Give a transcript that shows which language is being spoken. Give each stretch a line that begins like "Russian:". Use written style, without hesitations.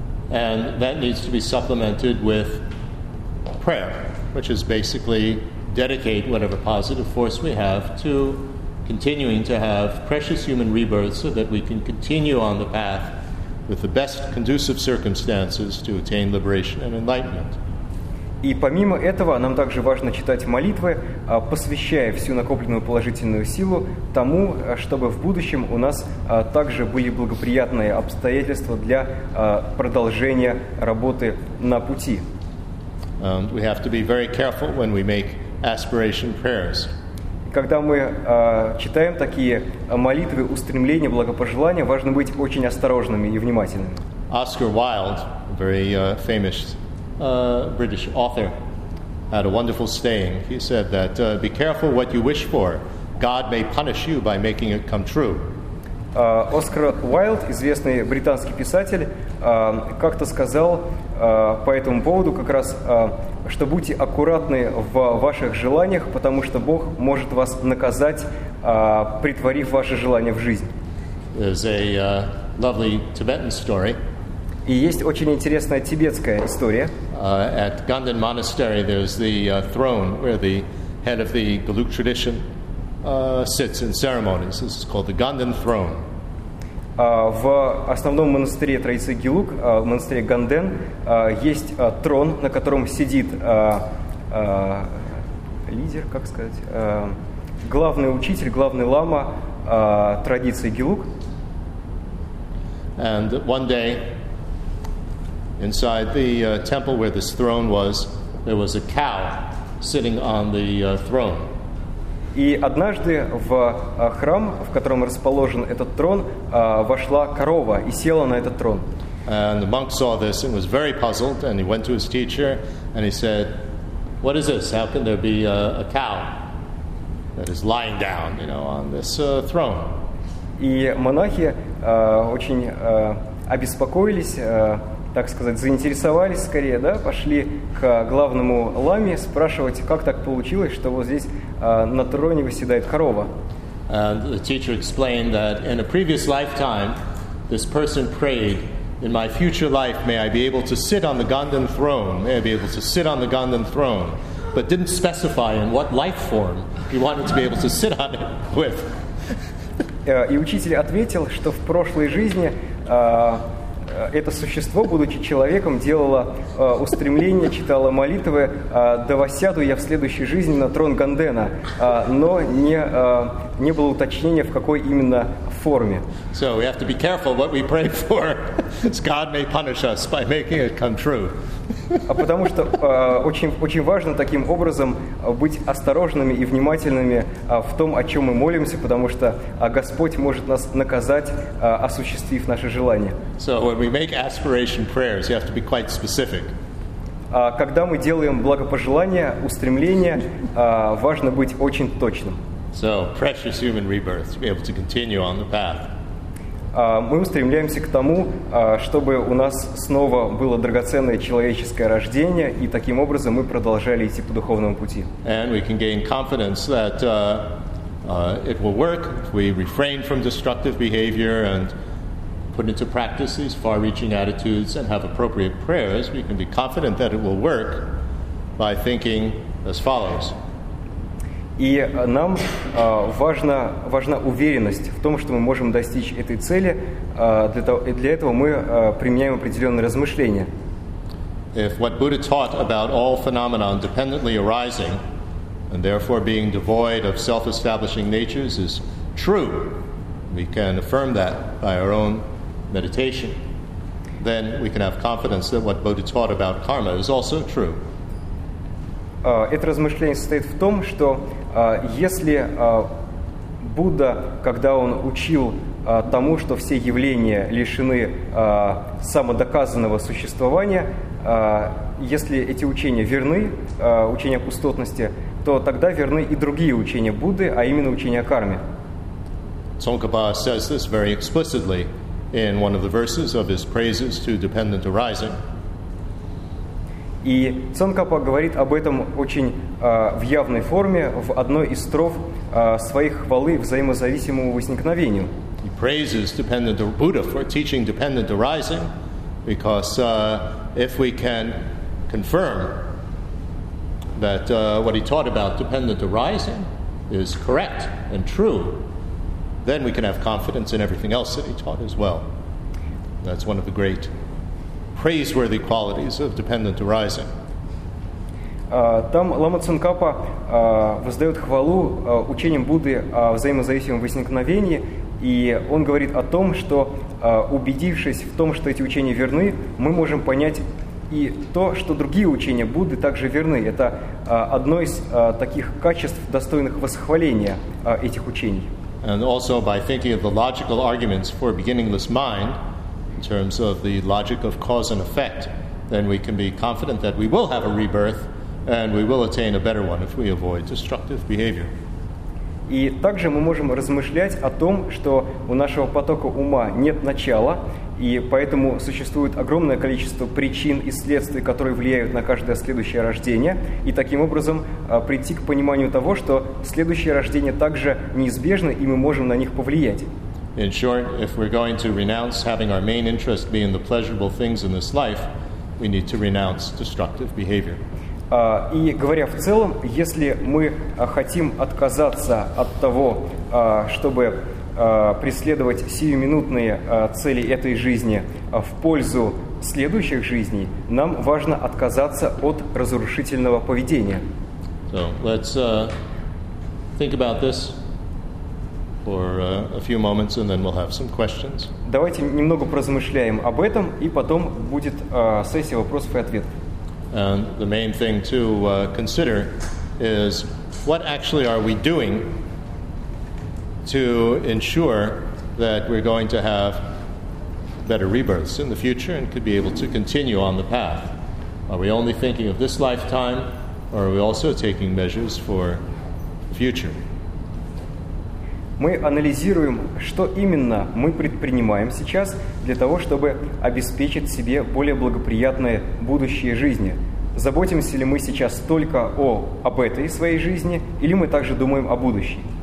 English: And that needs to be supplemented with prayer, which is basically dedicate whatever positive force we have to continuing to have precious human rebirths so that we can continue on the path with the best conducive circumstances to attain liberation and enlightenment.
Russian: И помимо этого, нам также важно читать молитвы, посвящая всю накопленную положительную силу тому, чтобы в будущем у нас также были благоприятные обстоятельства для продолжения работы на пути.
English: We have to be very careful when we make aspiration prayers.
Russian: Когда мы читаем такие молитвы, устремления, благопожелания, важно быть очень осторожными и внимательными.
English: Oscar Wilde, very famous British author, had a wonderful saying. He said that be careful what you wish for. God may punish you by making it come true.
Russian: Оскар Уайльд, известный британский писатель, как-то сказал по этому поводу как раз, что будьте аккуратны в ваших желаниях, потому что Бог может вас наказать, притворив ваши желания в жизнь.
English: There's a lovely Tibetan story.
Russian: И есть очень интересная тибетская история.
English: At Ganden Monastery there's the throne where the head of the Galuk tradition sits in ceremonies. This is called the Ganden throne.
Russian: В основном монастыре традиции Гелук, в монастыре Ганден, есть трон, на котором сидит лидер, как сказать, главный учитель, главный лама традиции Гелук.
English: And one day, inside the temple where this throne was, there was a cow sitting on the throne.
Russian: И однажды в храм, в котором расположен этот трон, вошла корова и села на этот трон.
English: And the monk saw this and was very puzzled, and he went to his teacher and he said, "What is this? How can there be a cow that is lying down, you know, on this throne?"
Russian: И монахи очень обеспокоились, так сказать, заинтересовались скорее, да, пошли к главному ламе спрашивать, как так получилось, что вот здесь на троне восседает корова.
English: And the teacher explained that in a previous lifetime, this person prayed, "In my future life, may I be able to sit on the Ganden throne, may I be able to sit on the Ganden throne," but didn't specify in what life form he wanted to be able to sit on it with.
Russian: И учитель ответил, что в прошлой жизни это существо, будучи человеком, делало устремление, читало молитвы, да воссяду я в следующей жизни на трон Гандена, но не было уточнения, в какой именно форме.
English: So we have to be careful what we pray for, because God may punish us by making it come true.
Russian: Потому что очень важно таким образом быть осторожными и внимательными в том, о чем мы молимся, потому что Господь может нас наказать, осуществив наше желание.
English: So when we make aspiration prayers, you have to be quite specific.
Russian: Когда мы делаем благопожелания, устремления, важно быть очень точным.
English: So precious human rebirth to be able to continue on the path.
Russian: Мы устремляемся к тому, чтобы у нас снова было драгоценное человеческое рождение, и таким образом мы продолжали идти по духовному пути.
English: And we can gain confidence that it will work if we refrain from destructive behavior and put into practice these far-reaching attitudes and have appropriate prayers. We can be confident that it will work by thinking as follows.
Russian: И нам важна уверенность в том, что мы можем достичь этой цели. Для этого мы применяем определенные размышления.
English: If what Buddha taught about all phenomena independently arising and therefore being devoid of self-establishing natures is true, we can affirm that by our own meditation, then we can have confidence that what Buddha taught about karma is also true.
Russian: Это размышление состоит в том, что если Будда, когда он учил тому, что все явления лишены самодоказанного существования, если эти учения верны, учения о пустотности, то тогда верны и другие учения Будды, а именно учения о карме.
English: Цонгпа says this very explicitly in one of the verses of his praises to dependent arising.
Russian: И Цонгпа говорит об этом очень в явной форме в одной из строф своей хвалы взаимозависимому возникновению.
English: He praises dependent Buddha for teaching dependent arising, because if we can confirm that what he taught about dependent arising is correct and true, then we can have confidence in everything else that he taught as well. That's one of the great praiseworthy qualities of dependent arising.
Russian: Там Лама Цонгпа воздает хвалу учениям Будды о взаимозависимом возникновении, и он говорит о том, что убедившись в том, что эти учения верны, мы можем понять и то, что другие учения Будды также верны. Это одно из таких качеств, достойных восхваления этих учений.
English: And also by thinking of the logical arguments for beginningless mind, in terms of the logic of cause and effect, then we can be confident that we will have a rebirth and we will attain a better one if we avoid destructive behavior.
Russian: И также мы можем размышлять о том, что у нашего потока ума нет начала, и поэтому существует огромное количество причин и следствий, которые влияют на каждое следующее рождение, и таким образом прийти к пониманию того, что следующее рождение также неизбежно, и мы можем на них повлиять.
English: In short, if we're going to renounce having our main interest be in the pleasurable things in this life, we need to renounce destructive behavior.
Russian: И говоря в целом, если мы хотим отказаться от того, чтобы преследовать сиюминутные цели этой жизни в пользу следующих жизней, нам важно отказаться от разрушительного поведения.
English: So, let's think about this for a few moments, and then we'll have some questions.
Russian: Давайте немного поразмышляем об этом, и потом будет сессия вопросов и ответов.
English: And the main thing to consider is what actually are we doing to ensure that we're going to have better rebirths in the future and could be able to continue on the path? Are we only thinking of this lifetime, or are we also taking measures for the future?
Russian: Мы анализируем, что именно мы предпринимаем сейчас для того, чтобы обеспечить себе более благоприятное будущее жизни. Заботимся ли мы сейчас только об этой своей жизни, или мы также думаем о будущем?